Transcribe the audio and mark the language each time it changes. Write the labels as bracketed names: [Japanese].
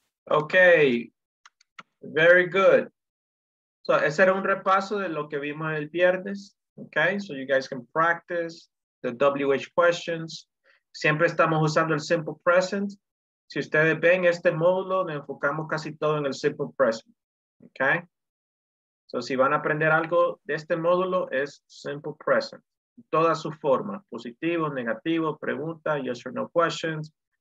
[English] Okay, very good. [Spanish] So, ese era un repaso de lo que vimos el viernes. [English] Okay, so you guys can practice the WH questions. [Spanish] Siempre estamos usando el simple present. Si ustedes ven este módulo, nos enfocamos casi todo en el simple present. Okay, so si van a aprender algo de este módulo, es simple present. Todas sus formas, positivo, negativo, pregunta, [English] yes or no questions.